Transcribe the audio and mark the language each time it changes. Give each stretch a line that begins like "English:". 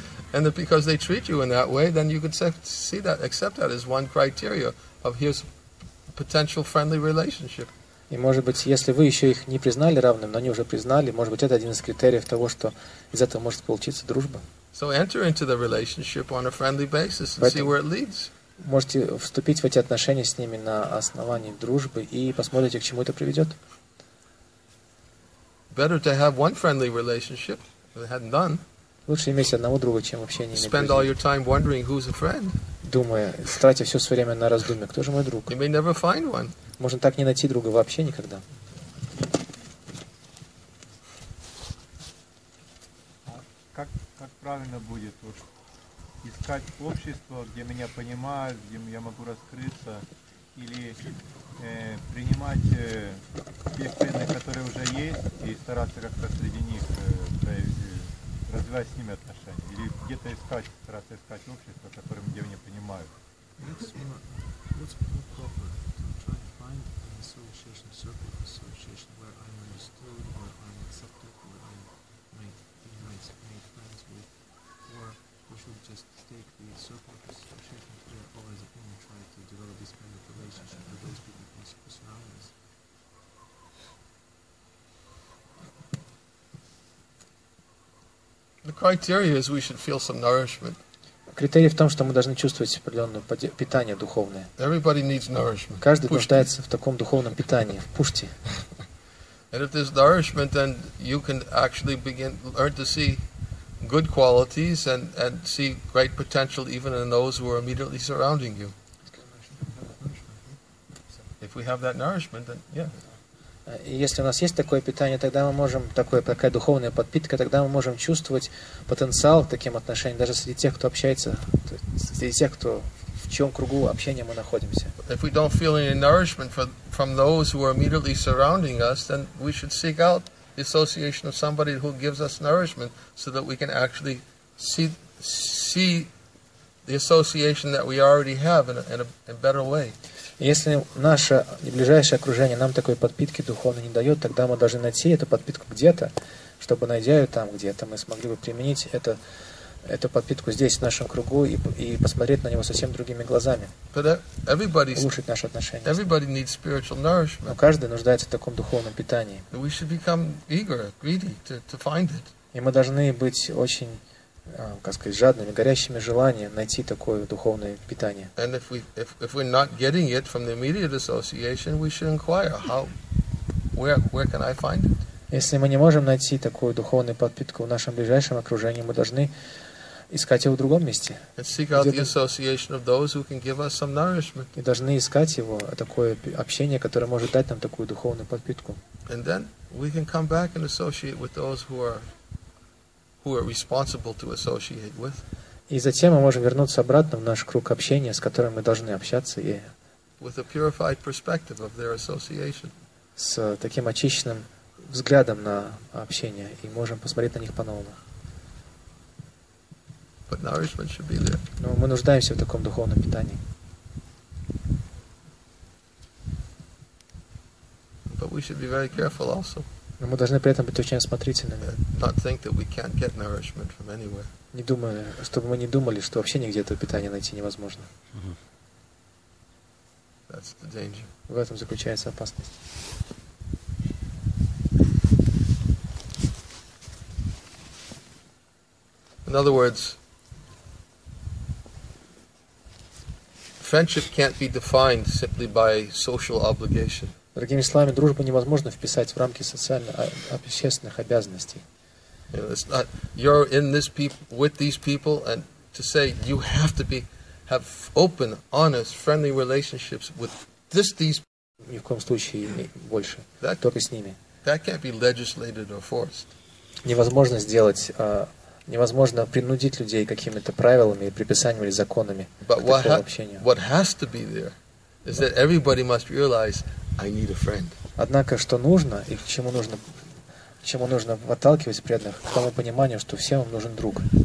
English: And that because they treat you in that way, then you could see that, accept that as one criteria of here's a potential friendly relationship.
Russian: И может быть, если вы еще их не признали равным, но они уже признали, может быть, это один из критериев того, что из этого может получиться дружба.
English: So enter into the relationship on a friendly basis and see where it leads.
Russian: Можете вступить в эти отношения с ними на основании дружбы и посмотрите, к чему это приведет.
English: Better to have one friendly relationship than have none.
Russian: Лучше иметь одного друга, чем вообще не иметь друзья. Думая, тратя все свое время на раздумье, кто же мой друг?
English: You may never find one.
Russian: Можно так не найти друга вообще никогда. А как правильно будет вот, искать общество, где меня понимают, где я могу раскрыться, или принимать тех преданных, которые уже есть, и стараться как-то среди них проявить? Развивать с ними отношения или где-то искать, стараться искать общество, которым где меня понимают.
English: What's more proper? To try to find an association, circle of association, where I'm understood, where I'm accepted, where I'm made friends with, or we should just take the circle of association where all as a human try to develop this kind of relationship with those people who surround us.
Russian: The criteria is we should feel some nourishment. Критерий в том, что мы должны чувствовать определенное питание духовное.
English: Everybody needs nourishment.
Russian: Каждый нуждается в таком духовном питании, в пуште.
English: And if there's nourishment, then you can actually begin learn to see good qualities and see great potential even in those who are immediately surrounding you. If we have that nourishment, then yeah.
Russian: Если у нас есть такое питание, тогда мы можем, такая духовная подпитка, тогда мы можем чувствовать потенциал к таким отношениям, даже среди тех, кто общается, среди тех, кто в чьем кругу общения мы находимся.
English: If we don't feel any nourishment from those who are immediately surrounding us, then we should seek out the association of somebody who gives us nourishment so that we can actually see the association that we already have in a better way.
Russian: Если наше ближайшее окружение нам такой подпитки духовной не дает, тогда мы должны найти эту подпитку где-то, чтобы, найдя ее там где-то, мы смогли бы применить эту подпитку здесь, в нашем кругу, и посмотреть на него совсем другими глазами, улучшить наши отношения.
English: Everybody needs spiritual nourishment.
Russian: Но каждый нуждается в таком духовном питании.
English: We should become eager, greedy to find it.
Russian: И мы должны быть очень... как сказать, жадными, горящими желанием найти такое духовное питание.
English: And if we're not getting it from the immediate association, we should inquire where can I find it?
Russian: Если мы не можем найти такую духовную подпитку в нашем ближайшем окружении, мы должны искать его в другом месте.
English: And seek out the association of those who can give us some nourishment.
Russian: И должны искать его, такое общение, которое может дать нам такую духовную подпитку.
English: And then we can come back and associate with those who are responsible to associate with.
Russian: И затем мы можем вернуться обратно в наш круг общения, с которым мы должны общаться, и
English: with a purified perspective of their association.
Russian: С таким очищенным взглядом на общение, и можем посмотреть на них по-новому.
English: But nourishment should be there.
Russian: Но мы нуждаемся в таком духовном питании.
English: But we should be very careful also.
Russian: Но мы должны при этом быть очень осмотрительными. Чтобы мы не думали, что вообще нигде этого питания найти невозможно.
English: That's the danger.
Russian: В этом заключается опасность.
English: In other words, friendship can't be defined simply by social obligation.
Russian: Другими словами, дружбу невозможно вписать в рамки общественных обязанностей.
English: You know, it's not, you're in this people, with these people, and to say you have to have open, honest, friendly relationships with these people.
Russian: Ни в коем случае больше. Только с ними.
English: That can't be legislated or forced.
Russian: Невозможно сделать Невозможно принудить людей какими-то правилами, приписаниями или законами
English: But
Russian: к такому общению.
English: What has to be there is that everybody must realize I need a friend.
Russian: Однако, что нужно и к чему нужно подталкивать преданных, к тому пониманию, что всем им нужен друг.